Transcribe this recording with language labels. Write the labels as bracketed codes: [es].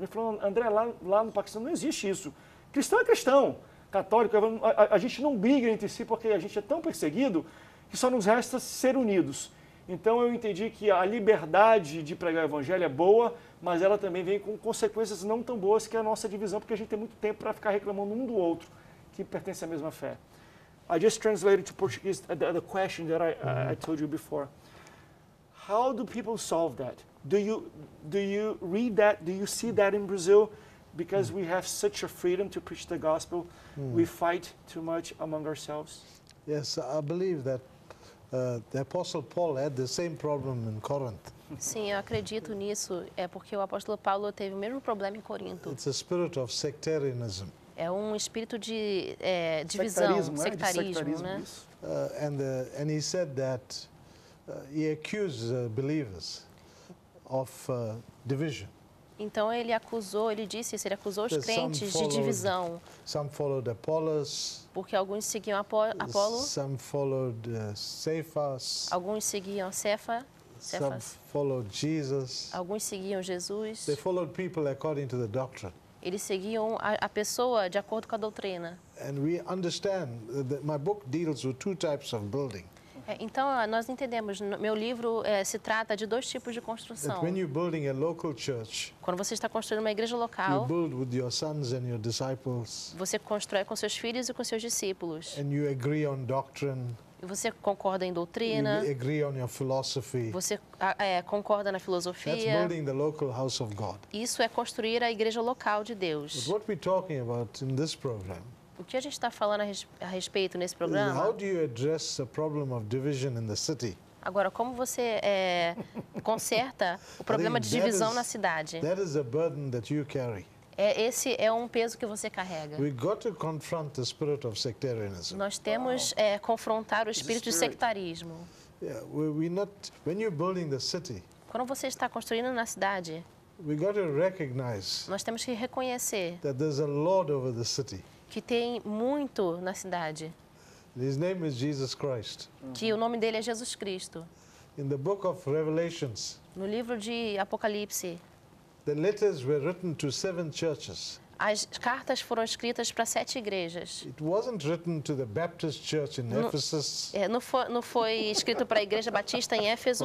[pt] Ele falou, André, lá no Paquistão não existe isso. Cristão é cristão, católico, a gente não briga entre si porque a gente é tão perseguido que só nos resta ser unidos. Então eu entendi que a liberdade de pregar o evangelho é boa, mas ela também vem com consequências não tão boas que a nossa divisão, porque a gente tem muito tempo para ficar reclamando um do outro que pertence à mesma fé. [en] I just translated to Portuguese the question that I told you before. How do people solve that? Do you read that? Do you see that in Brazil? Because we have such a freedom to preach the gospel, we fight too much among ourselves. Yes, I believe that the Apostle Paul had the same problem in Corinth. [pt] Sim, eu acredito nisso. É porque o apóstolo Paulo teve o mesmo problema em Corinto. [en] It's a spirit of sectarianism. [pt] É um espírito de divisão, sectarismo, né? [en] And he said that he accused believers of division. [pt] Então ele acusou, ele disse isso, ele acusou os crentes de divisão. [en] Some followed Apollos. [pt] Porque alguns seguiam Apolo. [en] Some followed Cephas. [pt] Alguns seguiam Cephas. [en] Some followed Jesus. [pt] Alguns seguiam Jesus. [en] They followed people according to the doctrine. [pt] Eles seguiam a pessoa de acordo com a doutrina. [en] And we understand that my book deals with two types of building. [pt] Então nós entendemos, meu livro se trata de dois tipos de construção. [en] When you're building a local church, [pt] quando você está construindo uma igreja local, [en] you build with your sons and your disciples, [pt] você constrói com seus filhos e com seus discípulos. [en] And you agree on doctrine. [pt] E você concorda em doutrina. [en] You agree on your philosophy. [pt] Você concorda na filosofia. [en] That's building the local house of God. [pt] Isso é construir a igreja local de Deus. [en] But what we're talking about in this program, [pt] o que a gente está falando a respeito nesse programa? [en] How do you address the problem of division in the city? [pt] Agora, como você conserta o problema de divisão na cidade? [en] That is a burden that you carry. [pt] Esse é um peso que você carrega. [en] We got to confront the spirit of sectarianism. [pt] Nós temos que confrontar o espírito de sectarismo. [en] When you're building the city, [pt] quando você está construindo na cidade, [en] we got to recognize, [pt] nós temos que reconhecer, [en] that there's a lord over the city, [pt] que tem muito na cidade. [en] His name is Jesus Christ. [pt] Que o nome dele é Jesus Cristo. [en] In the book of Revelations, [pt] no livro de Apocalipse, [en] the letters were written to seven churches. [pt] As cartas foram escritas para sete igrejas. [en] It wasn't written to the Baptist Church in Ephesus. [pt] Não foi escrito para a igreja batista em Éfeso.